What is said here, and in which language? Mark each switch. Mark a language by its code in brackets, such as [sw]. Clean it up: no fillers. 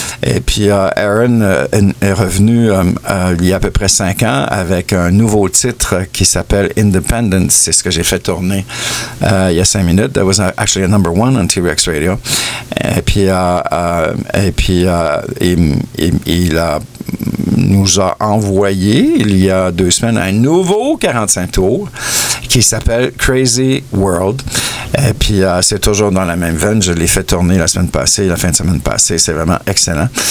[fr] Et puis Aaron est revenu il y a à peu près 5 ans avec un nouveau titre qui s'appelle Independence. C'est ce que j'ai fait tourner il y a 5 minutes. [en] That was actually a number one on T-Rex Radio. [fr] Et puis il nous a envoyé il y a 2 semaines un nouveau 45 tours qui s'appelle Crazy World. Et puis c'est toujours dans la même veine. Je l'ai fait tourner la semaine passée, la fin de semaine passée. C'est vraiment excellent.